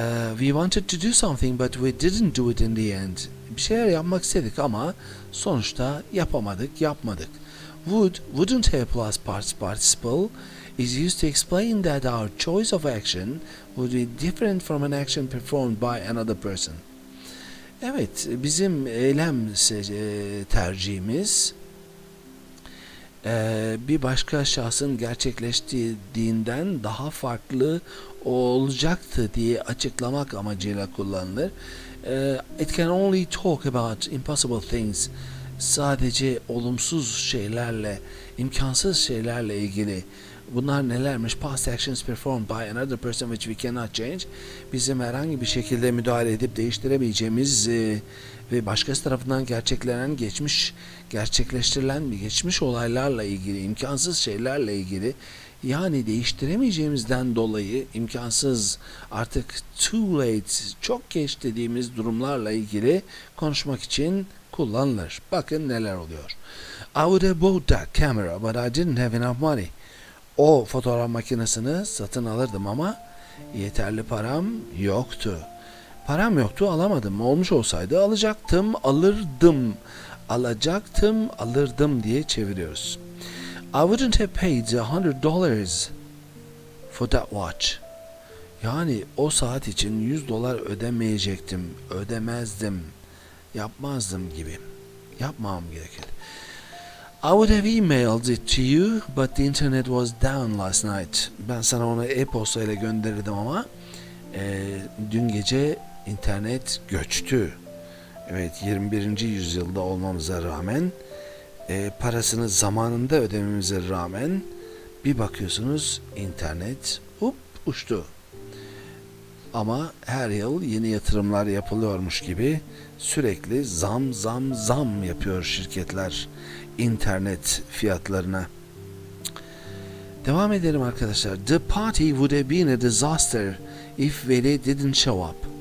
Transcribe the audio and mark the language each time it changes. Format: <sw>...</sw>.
<en>We wanted to do something but we didn't do it in the end.</en> <tr>Bir şeyler yapmak istedik ama sonuçta yapamadık, yapmadık.</tr> <en>Would, wouldn't have plus past participle is used to explain that our choice of action would be different from an action performed by another person.</en> <tr>Evet, bizim eylem tercihimiz bir başka şahsın gerçekleştirdiğinden daha farklı olacaktı diye açıklamak amacıyla kullanılır.</tr> <en>It can only talk about impossible things.</en> <tr>Sadece olumsuz şeylerle, imkansız şeylerle ilgili. Bunlar nelermiş?</tr> <en>Past actions performed by another person which we cannot change.</en> <tr>Bizim herhangi bir şekilde müdahale edip değiştiremeyeceğimiz ve başkası tarafından gerçeklenen, geçmiş, gerçekleştirilen bir geçmiş olaylarla ilgili, imkansız şeylerle ilgili. Yani değiştiremeyeceğimizden dolayı imkansız, artık too late, çok geç dediğimiz durumlarla ilgili konuşmak için kullanılır. Bakın neler oluyor.</tr> <en>I would have bought that camera but I didn't have enough money.</en> <tr>O fotoğraf makinesini satın alırdım ama yeterli param yoktu. Param yoktu, alamadım. Olmuş olsaydı alacaktım, alırdım. Alacaktım, alırdım diye çeviriyoruz.</tr> <en>I wouldn't have paid $100 for that watch.</en> <tr>Yani o saat için $100 ödemeyecektim, ödemezdim, yapmazdım gibi. Yapmam gerekirdi.</tr> <en>I would have emailed it to you, but the internet was down last night.</en> <tr>Ben sana onu e-posta ile gönderirdim ama dün gece internet göçtü. Evet, 21. yüzyılda olmamıza rağmen, parasını zamanında ödememize rağmen bir bakıyorsunuz internet hop uçtu. Ama her yıl yeni yatırımlar yapılıyormuş gibi sürekli zam zam zam yapıyor şirketler internet fiyatlarına. Devam edelim arkadaşlar.</tr> <en>The party would have been a disaster if Willie didn't show up.</en>